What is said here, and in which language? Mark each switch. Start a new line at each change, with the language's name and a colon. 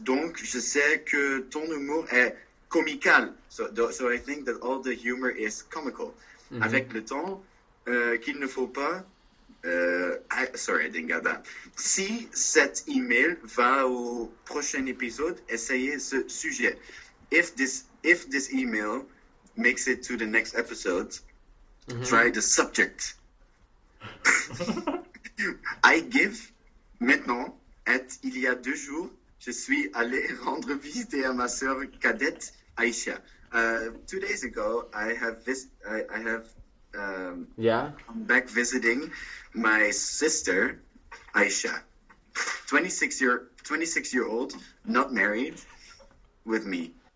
French: Donc, je sais que ton humour est comical.
English: So I think that all the humor is comical.
French: Mm-hmm. Avec le temps, qu'il ne faut pas...
English: I didn't get that.
French: Si cet email va au prochain épisode, essayez ce sujet.
English: If this email makes it to the next episode... Mm-hmm. Try the subject. I give maintenant.
French: At il y a deux jours, je suis allé rendre visite à ma sœur cadette Aïcha.
English: 2 days ago, I have come back visiting my sister Aïcha, 26 year old, not married, with me.